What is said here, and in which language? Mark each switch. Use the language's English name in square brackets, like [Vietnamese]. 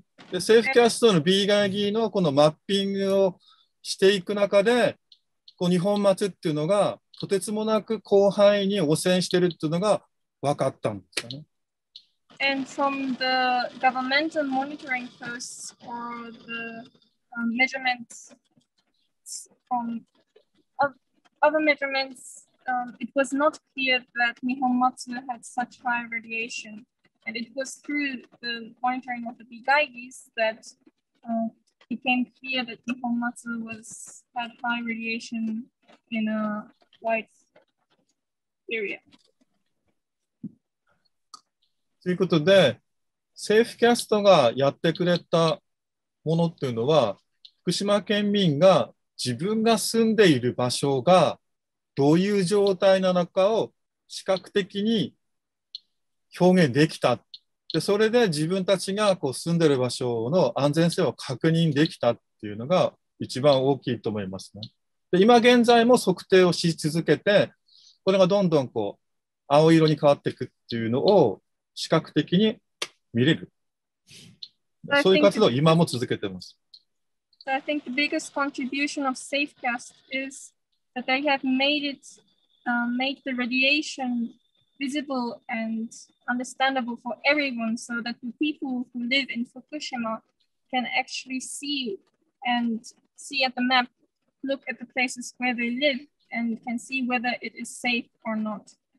[Japanese] で、セーフキャストの B ガイギーのこのマッピングをしていく中で、こう日本松っていうのがとてつもなく広範囲に汚染してるっていうのが分かったんですよね。 [English] And from the governmental monitoring posts or the measurements from other measurements, it was not clear that Nihonmatsu had such high radiation. And it was through the monitoring of the Bigaigis that became clear that Nihonmatsu had high radiation in a white area. [Japanese] ということで、セーフキャストがやってくれたものっていうのは、福島県民が自分が住んでいる場所がどういう状態なのかを視覚的に表現できた。で、それで自分たちがこう住んでる場所の安全性を確認できたっていうのが一番大きいと思いますね。で、今現在も測定をし続けて、これがどんどんこう青色に変わっていくっていうのを視覚的に見れる。そういう活動を今も続けてます。 [English] I think the biggest contribution of Safecast is that they have made it, make the radiation visible and understandable for everyone so that the people who live in Fukushima can actually see and see at the map, look at the places where they live and can see whether it is safe or not.